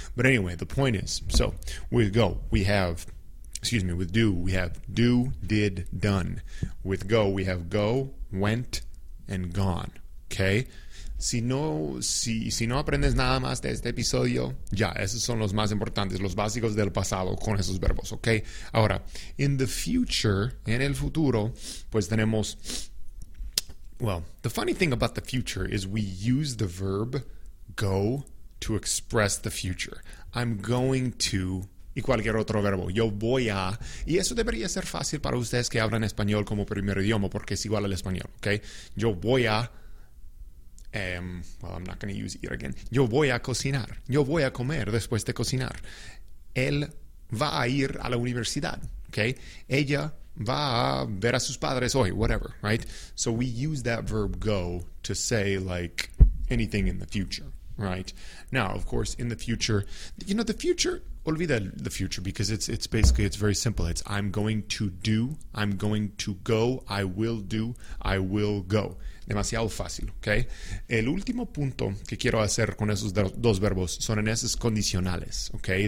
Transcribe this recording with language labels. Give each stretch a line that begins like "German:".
English: But anyway, the point is, so with go, we have, excuse me, with do, we have do, did, done. With go, we have go, went, and gone. Okay?
Spanish: Si no aprendes nada más de este episodio, ya, esos son los más importantes, los básicos del pasado con esos verbos, ¿ok? Ahora,
English: in the future,
Spanish: en el futuro, pues tenemos,
English: well, the funny thing about the future is we use the verb go to express the future. I'm going to,
Spanish: y cualquier otro verbo, yo voy a, y eso debería ser fácil para ustedes que hablan español como primer idioma, porque es igual al español, ¿ok? Yo voy a,
English: well, I'm not going to use it again.
Spanish: Yo voy a cocinar. Yo voy a comer después de cocinar. Él va a ir a la universidad, okay? Ella va a ver a sus padres hoy,
English: whatever, right? So we use that verb go to say, like, anything in the future, right? Now, of course, in the future, you know, the future,
Spanish: olvida
English: the future, because it's basically, it's very simple. It's I'm going to do, I'm going to go, I will do, I will go.
Spanish: Demasiado fácil, okay? El último punto que quiero hacer con esos dos verbos son en esos condicionales, okay?